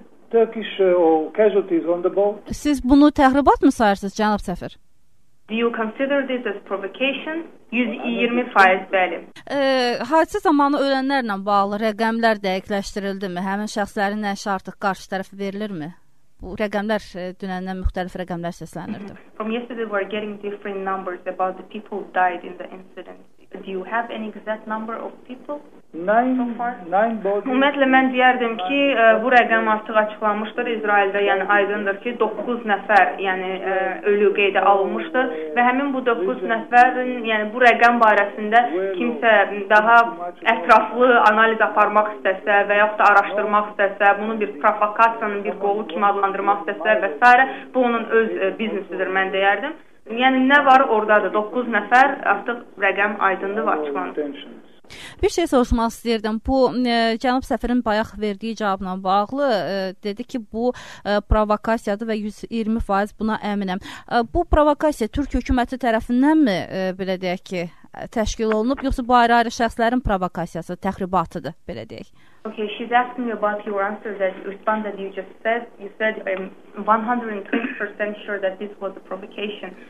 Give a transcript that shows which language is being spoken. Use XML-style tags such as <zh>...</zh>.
<en>Turkish casualties on the boat.</en> <az>Siz bunu təxribat mı sayırsınız, cənab Səfir?</az> <en>Do you consider this as provocation?</en> <az>120% bəli. Hadisə zamanı ölənlərlə bağlı rəqəmlər dəqiqləşdirildimi? Həmin şəxslərin nəşi artıq qarşı tərəfi verilirmi? Bu rəqəmlər dünəndən müxtəlif rəqəmlər səslənirdi. From yesterday we're getting different numbers about the people who died in the incident. Do you have any exact number of people? Ümumiyyətlə, mən deyərdim ki, bu rəqəm artıq açıqlanmışdır İsraildə, yəni aydındır ki, 9 nəfər yəni ölü qeydə alınmışdır və həmin bu 9 nəfərin yəni bu rəqəm barəsində kimsə daha ətraflı analiz aparmaq istəsə və yaxud da araşdırmaq istəsə, bunu bir provokasiyanın bir qolu kimi adlandırmaq istəsə və s. bu onun öz biznesidir, mən deyərdim. Yəni nə var ordadır, 9 nəfər artıq rəqəm aydındır, açıqlandı. Bir şey soruşmaq istəyirdim. Bu Cənub Səfirin bayaq verdiyi cavabla bağlı dedi ki, bu provokasiyadır və 120% buna əminəm. Bu provokasiya Türk hökuməti tərəfindən mi belə deyək ki, təşkil olunub, yoxsa bu ayrı-ayrı şəxslərin provokasiyası, təxribatıdır, belə deyək?</az> <en>Okay, she's asking me about your answer that respond that you just said. You said I'm 120% sure that this was a provocation.</en>